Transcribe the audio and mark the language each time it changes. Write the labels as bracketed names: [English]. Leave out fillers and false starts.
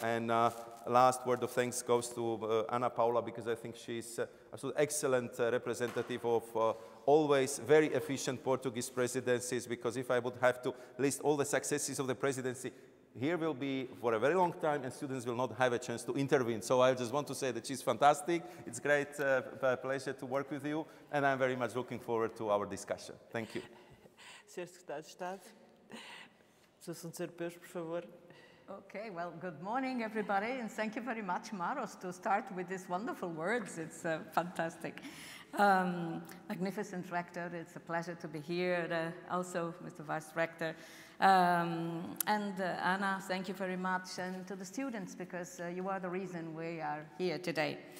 [English] And last word of thanks goes to Anna Paula, because I think she's an excellent representative of always very efficient Portuguese presidencies, because if I would have to list all the successes of the presidency, here will be for a very long time and students will not have a chance to intervene. So I just want to say that she's fantastic. It's great pleasure to work with you, and I'm very much looking forward to our discussion. Thank you. [Portuguese] Sr. Secretário de Estado, os assuntos europeus, por favor. [English] Okay, well, good morning, everybody, and thank you very much, Maros, to start with these wonderful words. It's fantastic. Magnificent Rector, it's a pleasure to be here. Also, Mr. Vice Rector. And Anna, thank you very much, and to the students, because you are the reason we are here today.